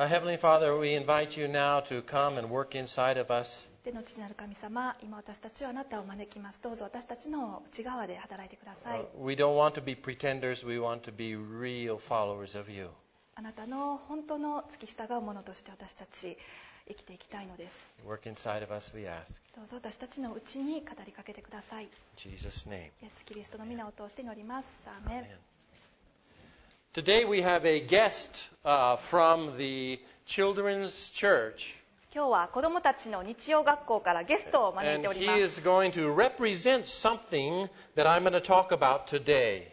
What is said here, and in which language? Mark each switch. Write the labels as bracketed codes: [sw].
[en] Heavenly Father, we invite you now to come and work inside of us. [ja] 天の父なる神様、今私たちはあなたを招きます。どうぞ私たちの内側で働いてください。 [en] We don't want to be pretenders. We want to be real followers of you. [ja] あなたの本当の付き従う者として私たち生きていきたいのです。 [en] Work inside of us, we ask. [ja] どうぞ私たちの内に語りかけてください。 [en] Jesus' name. [ja] イエス・キリストの名を通して祈ります。アーメン。 [en] Today we have a guest from the Children's Church. [ja] 今日は子どもたちの日曜学校からゲストを招いております。 [en] And he is going to represent something that I'm going to talk about today.